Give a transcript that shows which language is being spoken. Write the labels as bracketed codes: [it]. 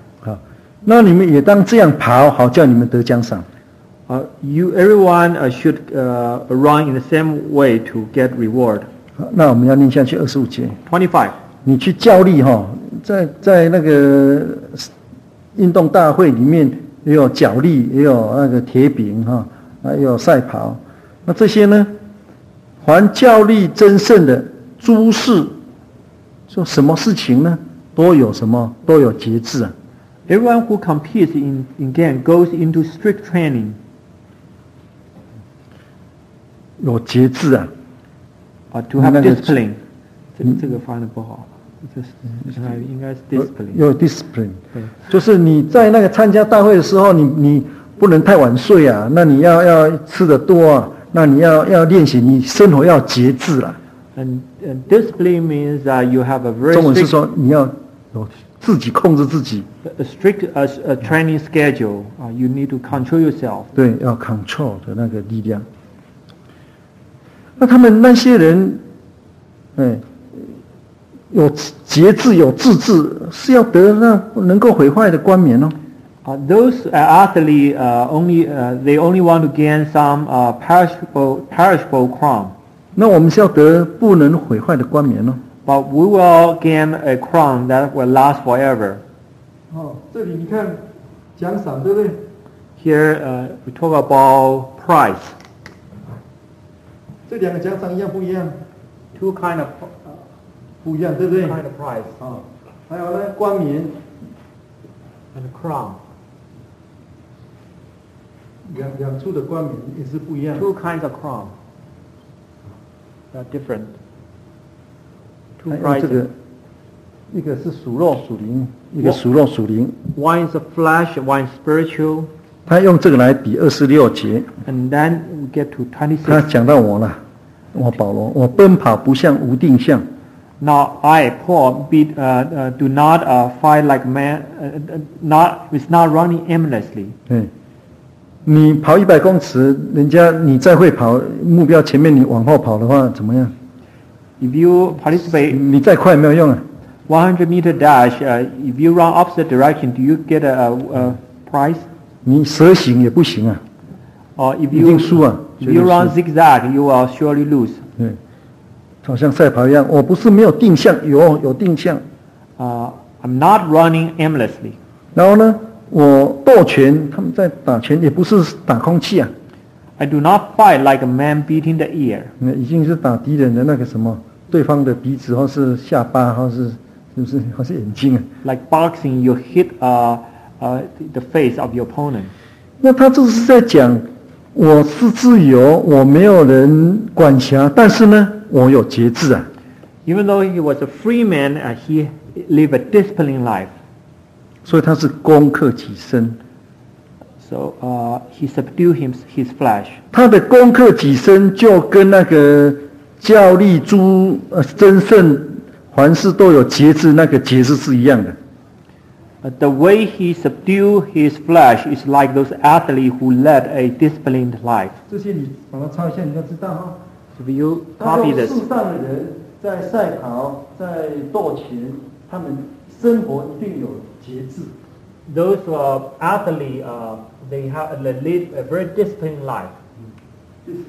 [zh] 好，那你们也当这样跑，好叫你们得奖赏。 [en] Everyone should run in the same way to get reward. [zh] 那我们要念下去25节。 [en] 25. [zh] 你去教例哈，在那个运动大会里面，也有脚力，也有那个铁饼哈，也有赛跑。那这些呢，凡教力争胜的诸事，说什么事情呢？都有什么？都有节制啊。 [en] Everyone who competes in game goes into strict training. [zh] 有节制啊。 [en] To have discipline, [zh] 这个翻译不好，应该是 discipline。有 discipline， 就是你在那个参加大会的时候，你不能太晚睡啊，那你要吃得多啊，那你要练习，你生活要节制啦。 [en] And discipline means that you have a very strict, [zh] 中文是说你要有自己控制自己。 [en] A strict a training schedule, you need to control yourself. [zh] 对，要 control 的那个力量。那他们那些人，哎，有节制，有自制，是要得那能够毁坏的冠冕哦。 [en] Those athletes they only want to gain some perishable crown. [zh] 那我们是要得不能毁坏的冠冕哦。 [en] But we will gain a crown that will last forever. [zh] 这里你看奖赏对不对 [en] ？Here we talk about prize. [zh] 这两个奖赏一样不一样 [en] ？Two kind of [zh] 不一样，对不对 [en] ？Two kind of prize [zh] 啊，还有呢，冠冕 [en] ，and crown， [zh] 两处的冠冕也是不一样。 [en] Two kinds of crown， they're different. Two prizes. [zh] 这个，一个是属肉属灵，一个属肉属灵。 [en] One is a flesh, one is spiritual. [zh] 他用这个来比二十六节。 [en] And then we get to 26. [zh] 他讲到我了，我保罗，我奔跑不像无定向。 [en] Now I Paul beat do not fight like man not with not running aimlessly. [zh] 你跑100公尺，人家你再会跑，目标前面你往后跑的话怎么样 [en] ？If you participate, [zh] 你再快也没有用啊。 [en] 100 meter dash, if you run opposite direction, do you get a prize? [zh] 你蛇行也不行啊！哦，一定输啊 [en] ！If you run zigzag, you will surely lose. [zh] 对，好像赛跑一样，我不是没有定向，有定向。 [en] I'm not running aimlessly. [zh] 然后呢，我斗拳，他们在打拳，也不是打空气啊。 [en] I do not fight like a man beating the ear. [zh] 已经是打敌人的那个什么，对方的鼻子，或是下巴，或是眼睛啊。 [en] Like boxing, you hit a the face of your opponent. [zh] 那他就是在讲，我是自由，我没有人管辖，但是呢，我有节制啊。 [en] Even though he was a free man, he lived a disciplined life. [zh] 所以他是攻克己身。 [en] So, he subdued his flesh. [zh] 他的攻克己身就跟那个教力诸争胜，凡事都有节制，那个节制是一样的。 [en] The way he subdued his flesh is like those athletes who led a disciplined life. [zh] 这些你把它抄一下，你要知道哈。 [en] So if you copy this. [zh] 树上的人在赛跑，在斗拳，他们生活一定有节制。 [en] Those athletes, they lead a very disciplined life.